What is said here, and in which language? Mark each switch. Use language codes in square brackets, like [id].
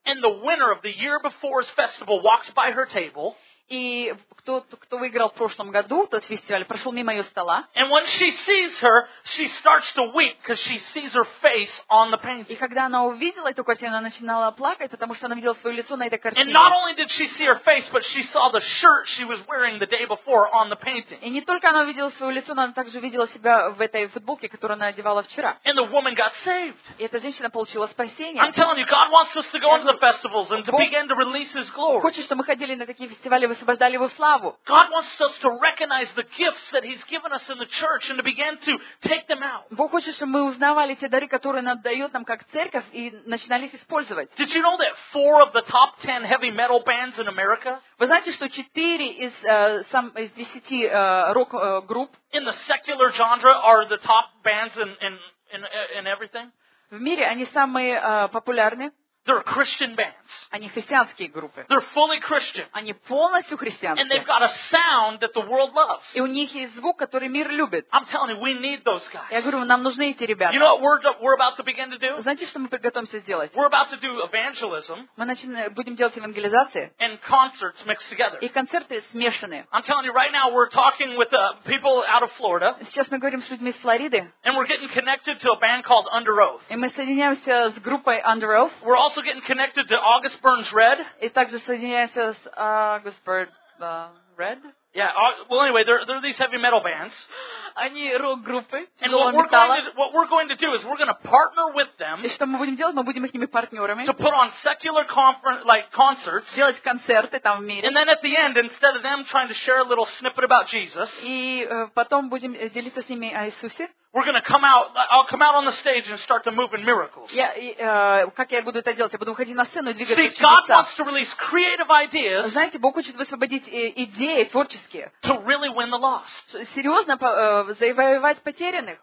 [en] And the winner of the year before's festival walks by her table. [ru] И кто выиграл в прошлом году тот фестиваль, прошел мимо ее стола. [en] And when she sees her, she starts to weep because she sees her face on the painting. [ru] И когда она увидела эту картину, она начинала плакать, потому что она видела свое лицо на этой картине. [en] And not only did she see her face, but she saw the shirt she was wearing the day before on the painting. [ru] И не только она увидела свое лицо, но она также увидела себя в этой футболке, которую она одевала вчера. [en] And the woman got saved. [ru] И эта женщина получила спасение. [en] I'm telling you, God wants us to go into the festivals and to begin to release His glory. [ru] Хочет, чтобы мы ходили на такие фестивали. Освобождали его славу. [en] God wants us to recognize the gifts that He's given us in the church and to begin to take them out. [ru] Бог хочет, чтобы мы узнавали те дары, которые Он дает нам как церковь, и начинали их использовать. [en] Did you know that 4 of the top 10 heavy metal bands in America? [ru] Вы знаете, что 4 из 10 рок групп [en] in the secular genre are the top bands in everything? [ru] В мире они самые популярные. [en] They're Christian bands. [ru] Они христианские группы. [en] They're fully Christian. [ru] Они полностью христианские. [en] And they've got a sound that the world loves. [ru] И у них есть звук, который мир любит. [en] I'm telling you, we need those guys. [ru] Я говорю, нам нужны эти ребята. [en] You know what we're about to begin to do? [ru] Знаете, что мы приготовимся сделать? [en] We're about to do evangelism. [ru] Мы будем делать евангелизации. [en] And concerts mixed together. [ru] И концерты смешаны. [en] I'm telling you, right now we're talking with people out of Florida. [ru] Сейчас мы говорим с людьми из Флориды. [en] And we're getting connected to a band called Under Oath. [ru] И мы соединяемся с группой Under Oath. [en] We're also getting connected to August Burns Red. [ru] И также соединяемся с August Burns Red. [en] Yeah. Well, anyway, they're these heavy metal bands. [ru] Они рок-группы. [en] And what we're going to do is we're going to partner with them. [ru] И что мы будем делать? Мы будем с ними партнерами. [en] To put on secular conference like concerts. [ru] Делать концерты там в мире. [en] And then at the end, instead of them trying to share a little snippet about Jesus. [ru] И потом будем делиться с ними о Иисусе. [en] We're going to come out. I'll come out on the stage and start to move in miracles. [ru] Я, как я буду это делать? Я буду выходить на сцену и двигаться. [en] See, God wants to release creative ideas. [ru] Знаете, Бог хочет высвободить идеи творческие. [en] To really win the lost. [ru] Серьезно завоевать потерянных.